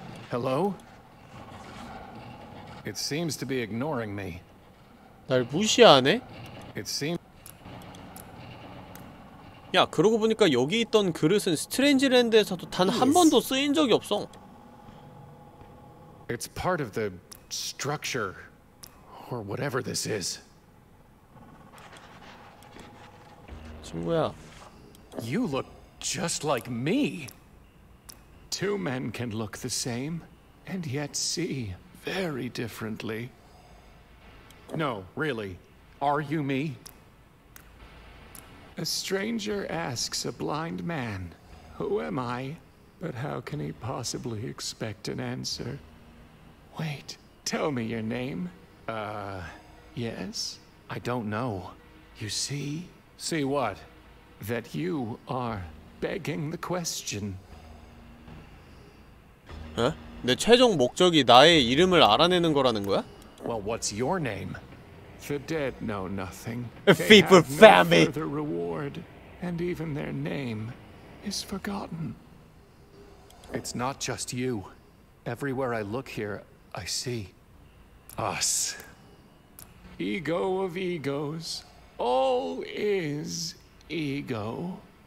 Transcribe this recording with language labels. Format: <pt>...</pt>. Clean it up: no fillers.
<en>Hello? It seems to be ignoring me.</en> <ko>날 무시하네?</ko> <en>It seems.</en> <ko>야, 그러고 보니까 여기 있던 그릇은 스트레인지랜드에서도 단 한 번도 쓰인 적이 없어.</ko> <en>It's part of the structure, or whatever this is.</en> <ko>친구야.</ko> <en>You look just like me. Two men can look the same, and yet see very differently. No, really. Are you me? A stranger asks a blind man, who am I? But how can he possibly expect an answer? Wait, tell me your name. Yes? I don't know. You see? See what? That you are begging the question.</en> <ko>어? 내 최종 목적이 나의 이름을 알아내는 거라는 거야?</ko> <en>Well, what's your name? The dead know nothing. They have no further reward, and even their name is forgotten. It's not just you. Everywhere I look here, I see us. Ego of egos. All is ego.</en>